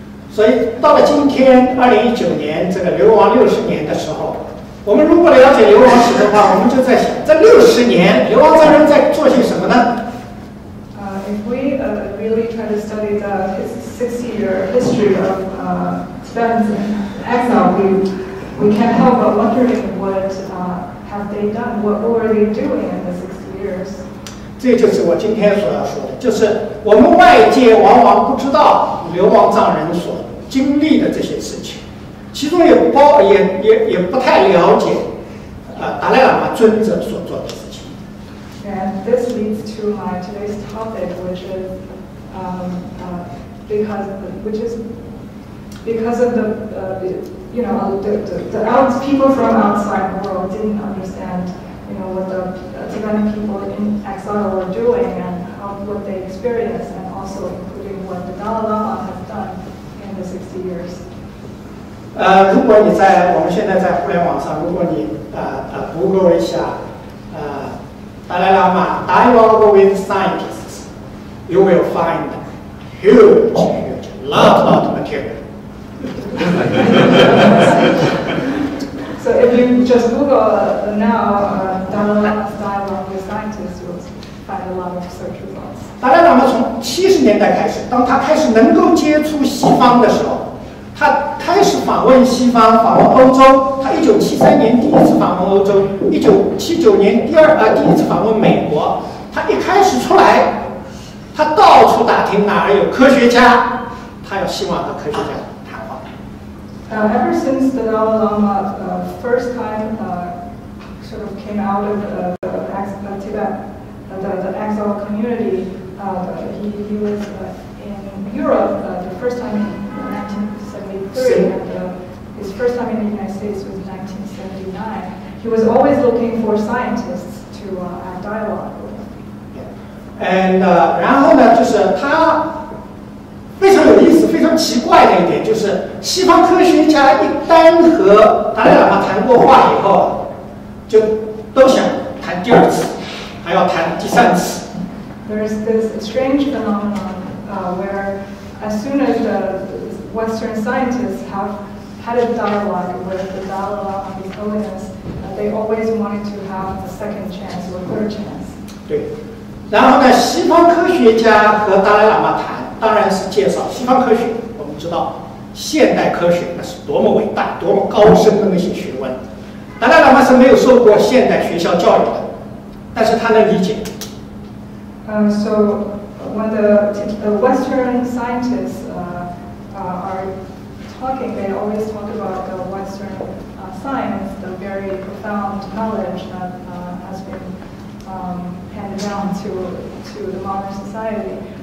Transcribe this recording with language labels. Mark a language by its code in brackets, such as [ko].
[zh] 所以到了今天，2019年这个流亡60年的时候，我们如果了解流亡史的话，我们就在想，这60年流亡藏人在做些什么呢？ [en] If we really try to study the 60-year history of Tibetans in exile, we can't help but wondering what have they done, what were they doing in the 60 years. [zh] 这就是我今天所要说的，就是我们外界往往不知道流亡藏人所经历的这些事情，其中也不太了解达赖喇嘛尊者所做的事情。 [en] And this leads to my today's topic, which is because people from outside the world didn't understand, you know, what the Tibetan people in exile were doing and what they experienced, and also including what the Dalai Lama has done in the 60 years. [zh] 如果你在我们现在在互联网上，如果你Google 一下达赖喇嘛 [en] dialogue with scientists, you will find huge, lot of material. So if you just Google now, Dalai Lama's dialogue with scientists, you'll find a lot of research results. [zh] 达赖喇嘛从70年代开始，当他开始能够接触西方的时候，他开始访问西方，访问欧洲。他1973年第一次访问欧洲，1979年第一次访问美国。他一开始出来，他到处打听哪儿有科学家，他要希望和科学家谈话。 [en] Ever since the Dalai Lama first time sort of came out of the exile community, he was in Europe the first time in 1973, and his first time in the United States was 1979. He was always looking for scientists to have dialogue with. [zh] 然后呢，就是他非常有意思、非常奇怪的一点，就是西方科学家一旦和达赖喇嘛谈过话以后，就都想谈第二次，还要谈第三次。 [en] There is this strange phenomenon where as soon as the Western scientists have had a dialogue with the Dalai Lama, His Holiness, they always wanted to have a second chance or a third chance. [zh] 对。然后呢，西方科学家和达赖喇嘛谈，当然是介绍西方科学。我们知道现代科学那是多么伟大、多么高深的那些学问。达赖喇嘛是没有受过现代学校教育的，但是他能理解。 [en] So when the Western scientists are talking, they always talk about the Western science, the very profound knowledge that has been handed down to the modern society.